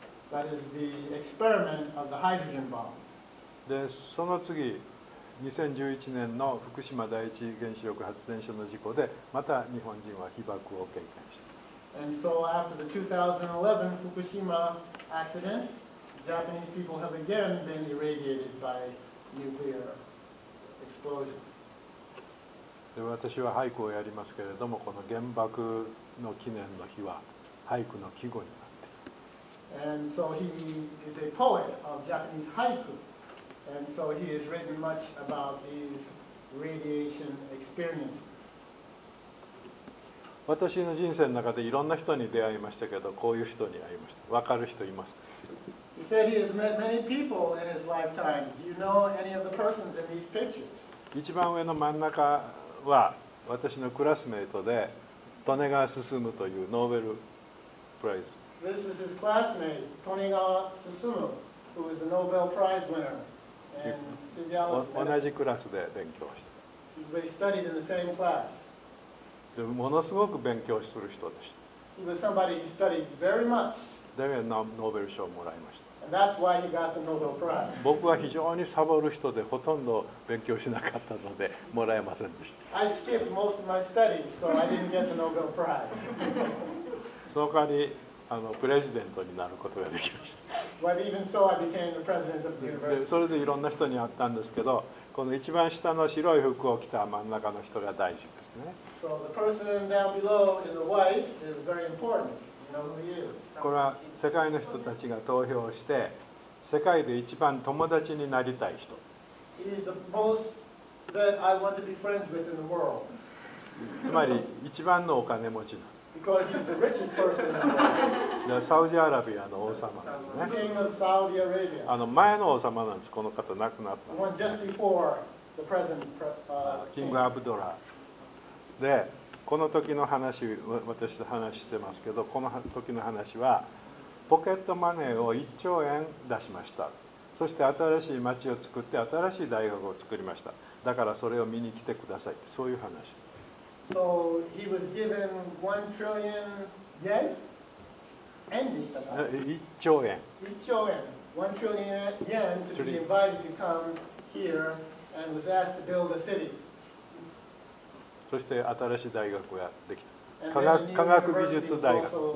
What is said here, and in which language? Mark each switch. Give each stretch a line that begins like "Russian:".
English: That is the experiment of the hydrogen bomb.
Japanese: で、その次、2011年の福島第一原子力発電所の事故で、また日本人は被爆を経験した。
English: And so after the 2011 Fukushima accident, Japanese people have again been irradiated by nuclear explosion.
Japanese: で、私は俳句をやりますけれども、この原爆の記念の日は俳句の季語になっている。
English: And so he is a poet of Japanese haiku. And so he has written much about these radiation experiences.
Japanese: 私の人生の中でいろんな人に出会いましたけど、こういう人に会いました。分かる人いますか？
English: He said he has met many people in his lifetime. Do you know any of the persons in these pictures?
Japanese: 一番上の真ん中は私のクラスメートで、利根川進というノーベルプライズ。
English: This is his classmate, 利根川進、who is a Nobel Prize winner. And
Japanese: 同じクラスで勉強して。
English: They studied in the same class.
Japanese: でものすごく勉強する人でした。
English: He was somebody who studied very much.
Japanese: だからノーベル賞をもらいました。
English: And that's why he got the Nobel Prize.
Japanese: 僕は非常にサボる人で、ほとんど勉強しなかったのでもらえませんでした。
English: I skipped most of my studies, so I didn't get the Nobel Prize.
Japanese: その代わりプレジデントになることができました。
English: But even so, I became the president of the university.
Japanese: でそれでいろんな人に会ったんですけど、この一番下の白い服を着た真ん中の人が大事ですね。
English: So the person down below in the white is very important. You know who he is.
Japanese: これは世界の人たちが投票して、世界で一番友達になりたい人。
English: He is the most that I want to be friends with in the world.
Japanese: つまり一番のお金持ちな。
English: Because he's the richest person in the world.
Japanese: サウジアラビアの王様ですね。
English: The king of Saudi Arabia.
Japanese: 前の王様なんです。この方亡くなった。
English: The one just before the present king.
Japanese: キングアブドラ。で、この時の話、私と話してますけど、この時の話は、ポケットマネーを1兆円出しました。そして新しい町を作って、新しい大学を作りました。だからそれを見に来てください。そういう話。
English: So he was given 1 trillion yen?
Japanese: 円でしたか？ 1兆円。 1兆円。
English: 1 trillion yen to be invited to come here and was asked to build a city.
Japanese: そして新しい大学ができた。科学技術大学。